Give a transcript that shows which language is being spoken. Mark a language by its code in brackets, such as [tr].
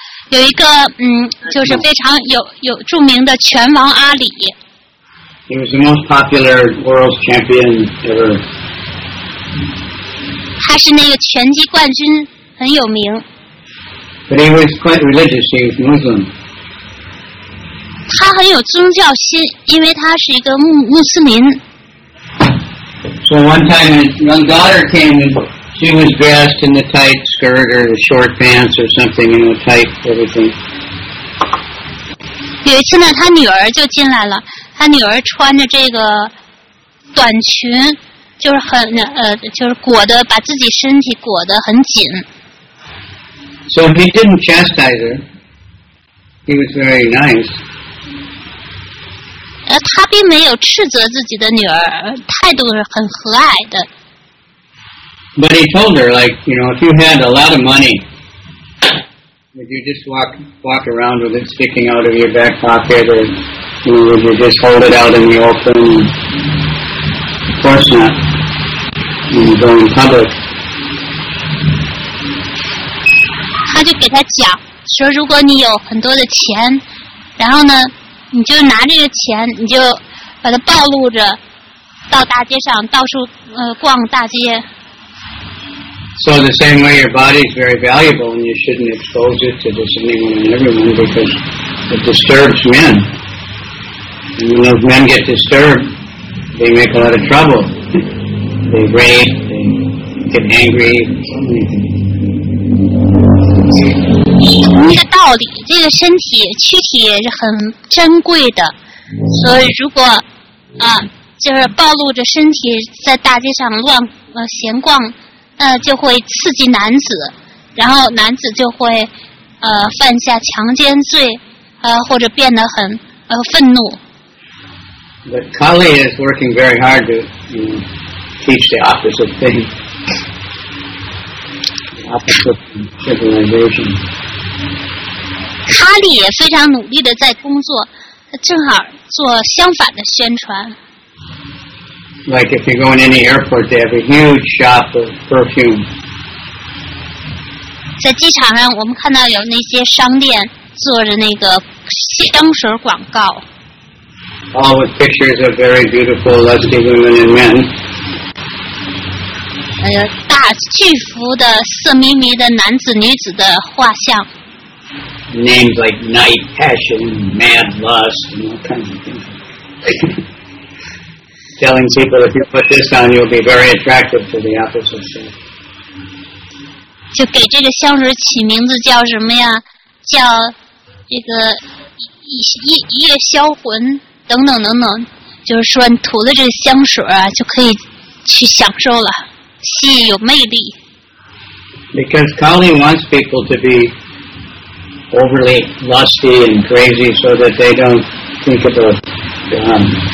[zh] 有一个就是非常有著名的拳王阿里。 [en] He was the most popular world champion ever. [zh] 他是那个拳击冠军，很有名。 [en] But he was quite religious. He was Muslim. [zh] 他很有宗教心，因为他是一个穆斯林。 [en] So one time, my daughter came and she was dressed in the tight skirt or the short pants or something, in the tight everything. [zh] 有一次呢，他女儿就进来了，他女儿穿着这个短裙，就是很就是裹的把自己身体裹得很紧。 [en] So he didn't chastise her. He was very nice. [zh] 他并没有斥责自己的女儿，态度是很和蔼的。 [en] But he told her, like, you know, if you had a lot of money, would you just walk around with it sticking out of your back pocket, or you know, would you just hold it out in the open? Of course not. When you go in public. [zh] 他就给他讲说，如果你有很多的钱，然后呢？你就拿这个钱，你就把它暴露着，到大街上到处逛大街。 [en] So the same way, your body is very valuable, and you shouldn't expose it to just anyone and everyone because it disturbs men. And when those men get disturbed, they make a lot of trouble. They rape, they get angry. [zh] 这个道理，这个身体躯体也是很珍贵的，所以如果就是暴露着身体在大街上乱闲逛，就会刺激男子，然后男子就会犯下强奸罪，或者变得很愤怒。 [en] But Kali is working very hard to teach the opposite thing, opposite civilization. [zh] 卡利也非常努力地在工作，正好做相反的宣传。 [en] Like if you go in any airport, they have a huge shop of perfume. [zh] 在机场上，我们看到有那些商店做着那个香水广告。 [en] All with pictures of very beautiful, lusty women and men. [zh] 大巨幅的色迷迷的男子女子的画像。 [en] Names like night passion, mad lust, and all kinds of things. Telling people if you put this on, you'll be very attractive to the opposite sex. [zh] 就给这个香水起名字叫什么呀，叫这个一夜销魂等等等等，就是说你涂了这个香水啊就可以去享受了，吸引有魅力。 [en] Because Kali wants people to be overly lusty and crazy so that they don't think about God.